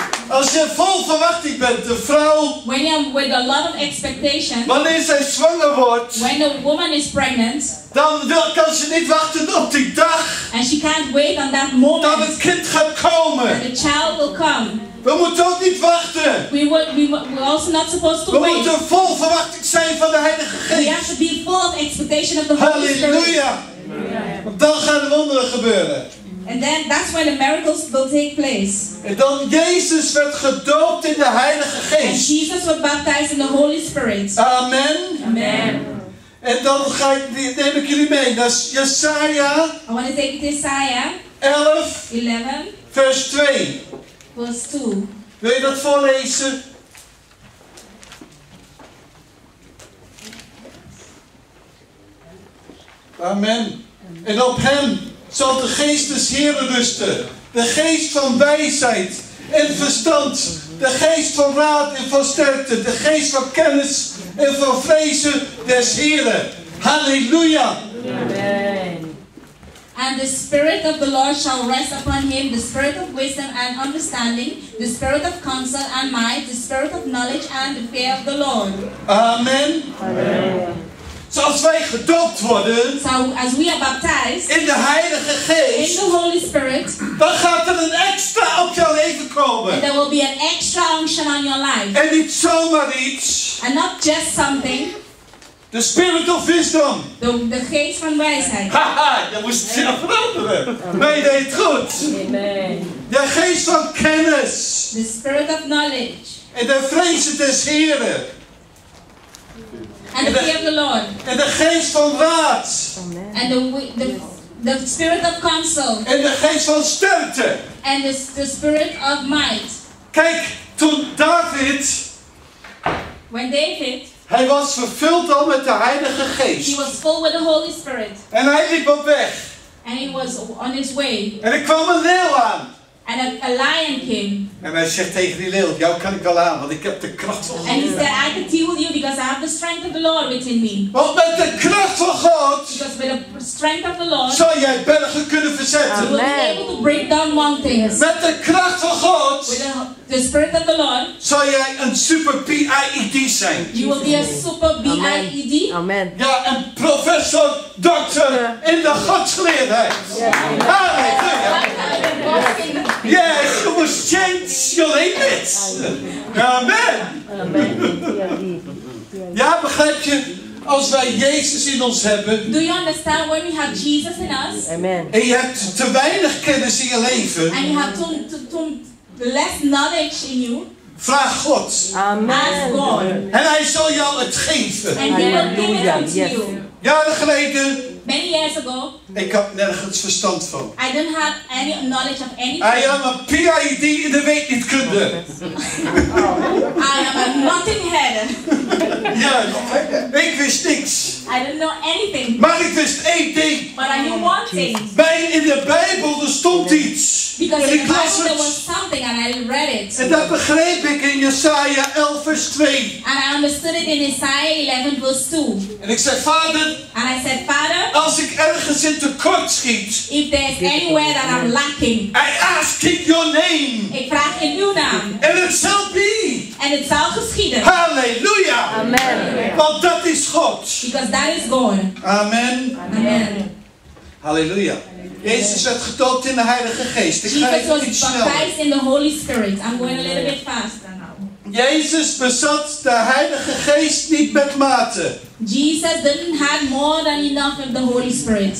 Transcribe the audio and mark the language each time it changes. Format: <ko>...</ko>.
<nl>Als je vol verwachting bent, de vrouw.</nl> <en>When you are with a lot of expectation.</en> <nl>Wanneer zij zwanger wordt.</nl> <en>When the woman is pregnant.</en> <nl>Dan kan ze niet wachten op die dag.</nl> <en>And she can't wait on that moment.</en> <nl>Dat het kind gaat komen.</nl> <en>That the child will come.</en> <nl>We moeten ook niet wachten.</nl> <en>We're also not supposed to wait.</en> <nl>We moeten vol verwachting zijn van de Heilige Geest.</nl> <en>We have to be full of expectation of the Holy Spirit. Halleluja.</en> <nl>Dan gaan de wonderen gebeuren.</nl> <en>And then that's when the miracles will take place.</en> <nl>En dan Jezus werd gedoopt in de Heilige Geest.</nl> <en>And Jesus was baptized in the Holy Spirit. Amen. Amen.</en> <nl>En dan neem ik jullie mee naar Jesaja.</nl> <en>I want to take you to Jesaja. 11. 11.</en> <nl>Vers 2.</nl> <en>Verse 2.</en> <nl>Wil je dat voorlezen? Amen. En op hem zal de geest des Heren rusten. De geest van wijsheid en verstand. De geest van raad en van sterkte. De geest van kennis en van vrezen des Heren. Halleluja. Amen.</nl> <en>And the Spirit of the Lord shall rest upon him, the Spirit of wisdom and understanding, the Spirit of counsel and might, the Spirit of knowledge and the fear of the Lord. Amen. Amen. So as we</en> <nl>gedoopt worden,</nl> <en>so as we are baptized in the Heilige Geest, in the Holy Spirit,</en> <nl>dan gaat er een extra op jouw leven komen.</nl> <en>And there will be an extra unction on your life.</en> <nl>En niet zomaar iets.</nl> <en>And not just something. The Spirit of Wisdom.</en> <nl>De geest van wijsheid. Haha, je moest het zelf veranderen. Maar je deed het goed. Amen. De geest van kennis.</nl> <en>The Spirit of Knowledge.</en> <nl>En de vrees des Heren.</nl> <en>And the fear of the Lord.</en> <nl>En de geest van raad.</nl> <en>And the Spirit of Counsel.</en> <nl>En de geest van sterkte.</nl> <en>And the Spirit of Might.</en> <nl>Kijk, toen David.</nl> <en>When David.</en> <nl>Hij was vervuld al met de Heilige Geest.</nl> <en>He was full with the Holy Spirit.</en> <nl>En hij liep op weg.</nl> <en>And he was on his way.</en> <nl>En er kwam een leeuw aan.</nl> <en>And a lion came.</en> <nl>En hij zegt tegen die leeuw, jou kan ik wel aan, want ik heb de kracht van God.</nl> <en>And he said, I can deal with you because I have the strength of the Lord within me.</en> <nl>Want met de kracht van God.</nl> <en>Because with the strength of the Lord.</en> <nl>Zou jij bergen kunnen verzetten. Amen.</nl> <en>You will be able to break down mountains.</en> <nl>Met de kracht van God.</nl> <en>With the Spirit of the Lord.</en> <nl>Zou jij een super PIED zijn.</nl> <en>You will be a super PIED. Amen.</en> <nl>Ja, een professor, doctor in de godsgeleerdheid.</nl> <en>Yeah. Halleluja. Yes, you must change your habits.</en> <nl>Amen. Ja, begrijp je? Als wij Jezus in ons hebben.</nl> <en>Do you understand when we have Jesus in us? Amen.</en> <nl>En je hebt te weinig kennis in je leven.</nl> <en>And you have too less knowledge in you.</en> <nl>Vraag God. Amen.</nl> <en>Ask God.</en> <nl>En hij zal jou het geven.</nl> <en>And he will give it unto you.</en> <nl>Jaren geleden.</nl> <en>Many years ago.</en> <nl>Ik had nergens verstand van.</nl> <en>I didn't have any knowledge of anything. I am a PIED</en> <nl>in de weetnietkunde.</nl> <en>I am a nothing head.</en> <nl>Ja, ik wist niks.</nl> <en>I didn't know anything.</en> <nl>Maar ik wist één ding.</nl> <en>But I knew one thing.</en> <nl>Bij in de Bijbel er stond iets.</nl> <en>Because in the Bible there was something and I read it.</en> <nl>En dat begreep ik in Jesaja 11 vers 2.</nl> <en>And I understood it in Isaiah 11 verse 2.</en> <nl>En ik zei Vader.</nl> <en>And I said Father.</en> <nl>Als ik ergens in tekort schiet.</nl> <en>If there's anywhere that I'm lacking. I ask in your name.</en> <nl>Ik vraag in uw naam.</nl> <en>And it shall be.</en> <nl>En het zal geschieden. Halleluja. Amen. Want dat is God.</nl> <en>Because that is God. Amen. Amen. Halleluja.</en> <nl>Jezus werd gedoopt in de Heilige Geest. Ik ga even iets sneller.</nl> <en>Jesus was baptized in the Holy Spirit. I'm going a little bit faster now.</en> <nl>Jezus bezat de Heilige Geest niet met mate.</nl> <en>Jesus didn't have more than enough of the Holy Spirit.</en>